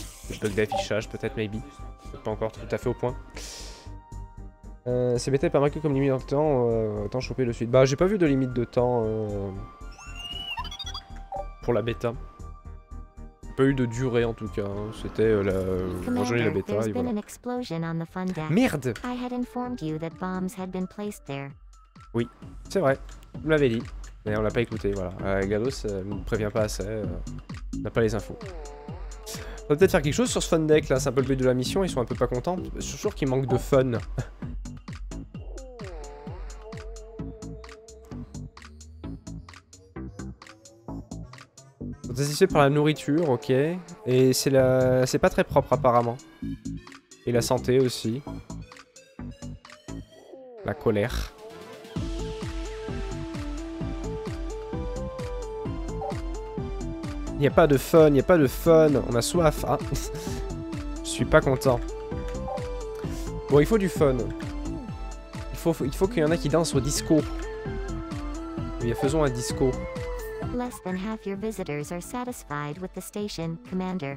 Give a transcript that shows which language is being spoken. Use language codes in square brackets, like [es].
[fr] Le bug d'affichage, peut-être, maybe. Peut-être pas encore tout à fait au point. C'est bêta pas marqué comme limite de temps, autant choper le suite. Bah, j'ai pas vu de limite de temps... pour la bêta. Pas eu de durée en tout cas, c'était la journée de la bêta et voilà. Merde! [en] I had informed you that bombs had been placed there. [fr] Oui, c'est vrai, vous l'avez dit, mais on l'a pas écouté, voilà. GLaDOS ne prévient pas assez, on n'a pas les infos. On va peut-être faire quelque chose sur ce fun deck là, c'est un peu le but de la mission, ils sont un peu pas contents. Je suis sûr qu'il manque de fun. Désistez par la nourriture, ok. Et c'est pas très propre apparemment. Et la santé aussi. La colère. Il n'y a pas de fun, il n'y a pas de fun. On a soif. Ah. Je suis pas content. Bon, il faut du fun. Il faut qu'il y en ait qui dansent au disco. Eh bien, faisons un disco. [en] Less than half your visitors are satisfied with the station, Commander.